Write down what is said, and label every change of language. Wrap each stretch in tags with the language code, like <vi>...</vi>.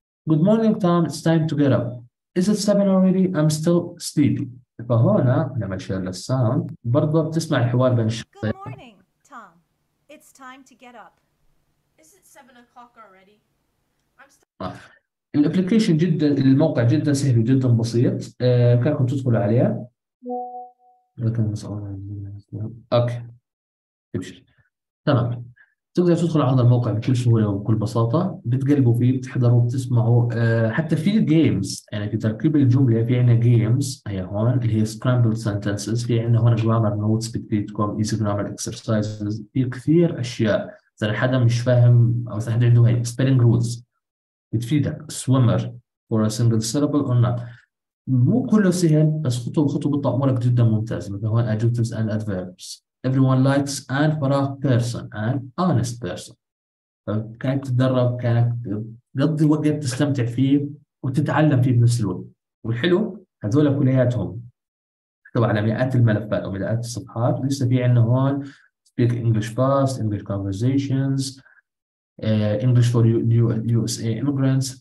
<en>Good morning Tom, it's time to get up. Is it seven already? I'm still sleepy.</en> <ar>فهون لما تشغل الساوند برضه بتسمع الحوار بين الشخصين.</ar> <en>It's time to get up. Is it 7 o'clock already?</en> <ar>الابلكيشن جدا، الموقع جدا سهل وجدا بسيط. كلكم تدخلوا عليها. لكن اوكي. ابشر. تمام. تقدر تدخل على هذا الموقع بكل سهولة وبكل بساطة، بتقلبوا فيه بتحضروا بتسمعوا. حتى في جيمز، يعني في تركيب الجملة في عنا جيمز هي هون اللي هي scrambled sentences، في عنا هون grammar notes بتفيدكم، easy grammar exercises، في كثير أشياء. مثلا حدا مش فاهم أو مثلا حدا عنده هاي spelling rules بتفيدك، swimmer for a single syllable or not. مو كله سهل بس خطوة بخطوة بتطلع أمورك جدا ممتاز. مثلا هون adjectives and adverbs.</ar> <en>Everyone likes and for a person and honest person.</en> <ar>فكانك تتدرب، كانك تقضي وقت تستمتع فيه وتتعلم فيه بنفس الوقت. والحلو هذول كلياتهم تبع على مئات الملفات أو مئات الصفحات، لسه في عندنا هون speak English fast, English conversations, English for USA immigrants.</ar>